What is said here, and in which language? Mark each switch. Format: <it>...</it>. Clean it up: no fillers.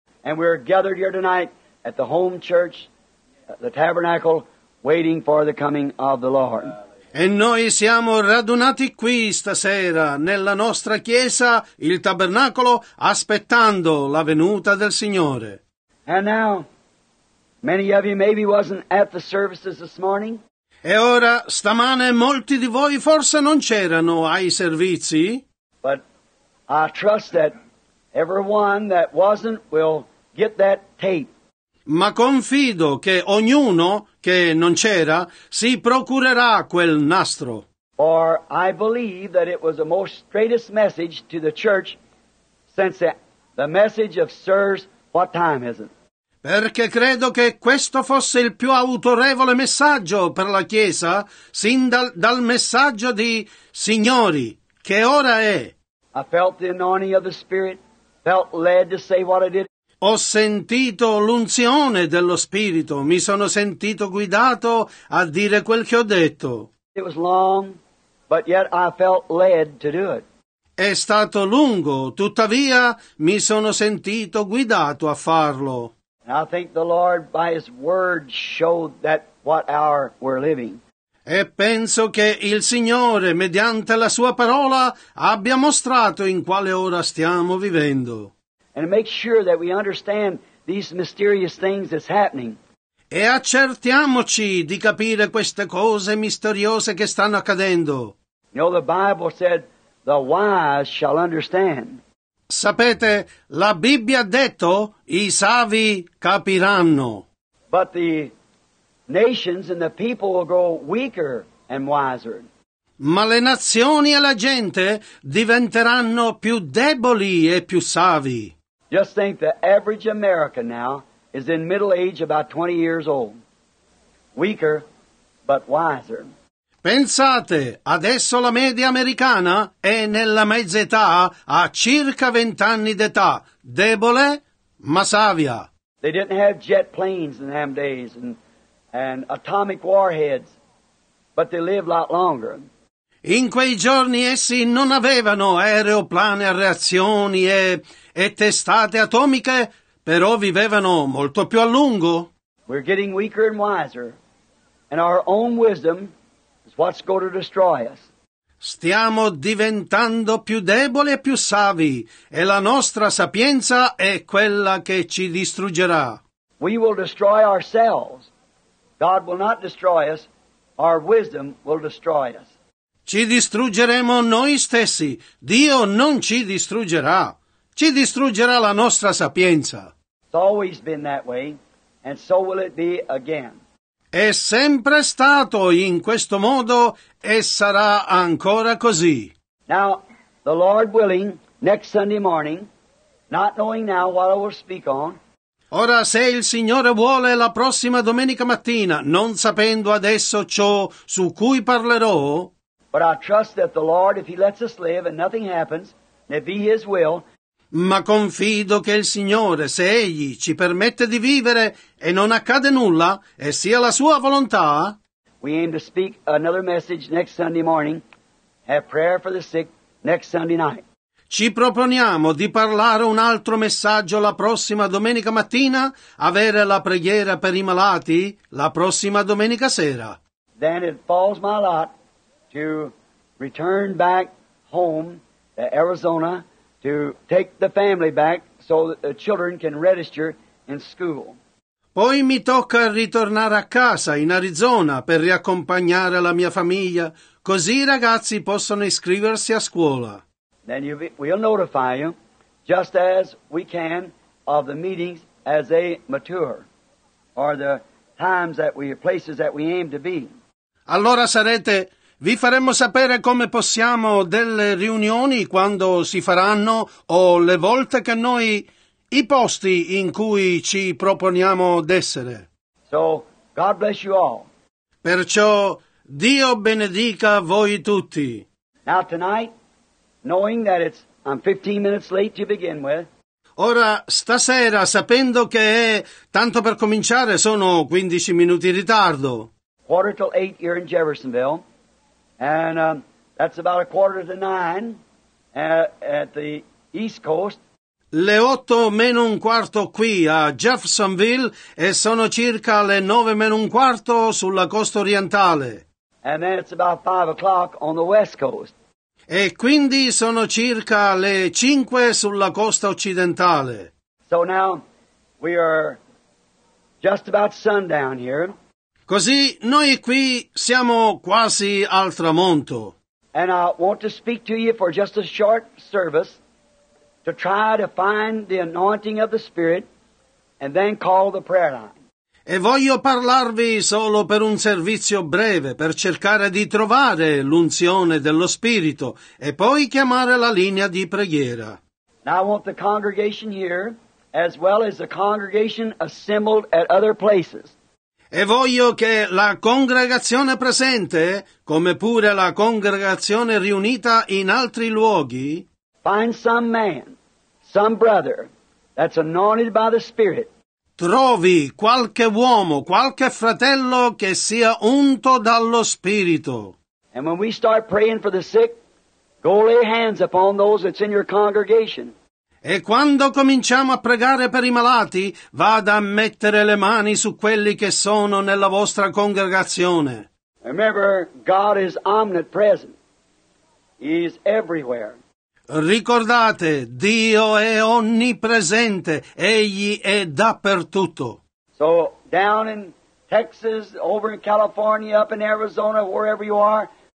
<en>And we are gathered here tonight at the home church, the tabernacle, waiting for the coming of the Lord.</en> <it>E noi siamo radunati qui stasera, nella nostra chiesa, il tabernacolo, aspettando la venuta del Signore.</it> <en>And now, many of you maybe wasn't at the services this morning.</en> <it>E ora, stamane, molti di voi forse non c'erano ai servizi.</it> <en>But I trust that everyone that wasn't will get that tape.</en> <it>Ma confido che ognuno che non c'era si procurerà quel nastro.</it> <en>For I believe that it was the most straightest message to the church since the message of Sirs, what time is it?</en> <it>Perché credo che questo fosse il più autorevole messaggio per la Chiesa, sin dal messaggio di Signori, che ora è?</it> <en>I felt the anointing of the Spirit, felt led to say what I did.</en> <it>Ho sentito l'unzione dello Spirito, mi sono sentito guidato a dire quel che ho detto.</it> <en>It was long, but yet I felt led to do it.</en> <it>È stato lungo, tuttavia mi sono sentito guidato a farlo.</it> <en>And I think the Lord by His Word showed that what hour we're living.</en> <it>E penso che il Signore, mediante la Sua parola, abbia mostrato in quale ora stiamo vivendo.</it> <en>And make sure that we understand these mysterious things that's happening.</en> <it>E accertiamoci di capire queste cose misteriose che stanno accadendo.</it> <en>You know, the Bible said, the wise shall understand.</en> <it>Sapete, la Bibbia ha detto, i savi capiranno.</it> <en>But the nations and the people will grow weaker and wiser.</en> <it>Ma le nazioni e la gente diventeranno più deboli e più savi.</it> <en>Just think, the average American now is in middle age about 20 years old. Weaker, but wiser.</en> <it>Pensate, adesso la media americana è nella mezza età, a circa 20 anni d'età, debole Masavia.</it> <en>They didn't have jet planes in them days and atomic warheads, but they lived a lot longer.</en> <it>In quei giorni essi non avevano aeroplani, reazioni e testate atomiche, però vivevano molto più a lungo.</it> <en>We're getting weaker and wiser, and our own wisdom is what's going to destroy us.</en> <it>Stiamo diventando più deboli e più savi, e la nostra sapienza è quella che ci distruggerà.</it> <en>We will destroy ourselves. God will not destroy us. Our wisdom will destroy us.</en> <it>Ci distruggeremo noi stessi. Dio non ci distruggerà. Ci distruggerà la nostra sapienza.</it> <en>It's always been that way, and so will it be again.</en> <it>È sempre stato in questo modo e sarà ancora così.</it> <en>Now, the Lord willing, next Sunday morning, not knowing now what I will speak on.</en> <it>Ora, se il Signore vuole, la prossima domenica mattina, non sapendo adesso ciò su cui parlerò.</it> <en>But I trust that the Lord, if He lets us live and nothing happens, and it be His will.</en> <it>Ma confido che il Signore, se Egli ci permette di vivere e non accade nulla, e sia la Sua volontà.</it> <en>We aim to speak another message next Sunday morning. Have prayer for the sick next Sunday night.</en> <it>Ci proponiamo di parlare un altro messaggio la prossima domenica mattina, avere la preghiera per i malati la prossima domenica sera.</it> <en>Then it falls my lot to return back home to Arizona to take the family back so that the children can register in school.</en> <it>Poi mi tocca ritornare a casa in Arizona per riaccompagnare la mia famiglia, così i ragazzi possono iscriversi a scuola.</it> <en>Then we'll notify you, just as we can, of the meetings as they mature, or the times that we, places that we aim to be.</en> <it>Allora sarete, vi faremo sapere come possiamo delle riunioni, quando si faranno, o le volte che noi, i posti in cui ci proponiamo d'essere.</it> <en>So, God bless you all.</en> <it>Perciò, Dio benedica voi tutti.</it> <en>Now tonight, knowing that I'm 15 minutes late to begin with.</en> <it>Ora stasera, sapendo che è tanto per cominciare, sono 15 minuti in ritardo.</it> <en>Quarter till 8 here in Jeffersonville, and that's about a quarter to 9 at the East Coast.</en> <it>Le 8 meno un quarto qui a Jeffersonville e sono circa le 9 meno un quarto sulla costa orientale.</it> <en>And then it's about 5 o'clock on the West Coast.</en> <it>E quindi sono circa le 5 sulla costa occidentale.</it> <en>So now we are just about sundown here.</en> <it>Così noi qui siamo quasi al tramonto.</it> <en>And I want to speak to you for just a short service to try to find the anointing of the Spirit and then call the prayer line.</en> <it>E voglio parlarvi solo per un servizio breve, per cercare di trovare l'unzione dello Spirito e poi chiamare la linea di preghiera.</it> <en>Now I want the congregation here, as well as the congregation assembled at other places.</en> <it>E voglio che la congregazione presente, come pure la congregazione riunita in altri luoghi,</it> <en>find some man, some brother, that's anointed by the Spirit.</en> <it>Trovi qualche uomo, qualche fratello che sia unto dallo Spirito.</it> <en>And when we start praying for the sick, go lay hands upon those that's in your congregation.</en> <it>E quando cominciamo a pregare per i malati, vada a mettere le mani su quelli che sono nella vostra congregazione.</it> <en>Remember, God is omnipresent. He is everywhere.</en> <it>Ricordate, Dio è onnipresente, Egli è dappertutto.</it> <en>So, down in Texas, over in California, up in Arizona, wherever you are.</en>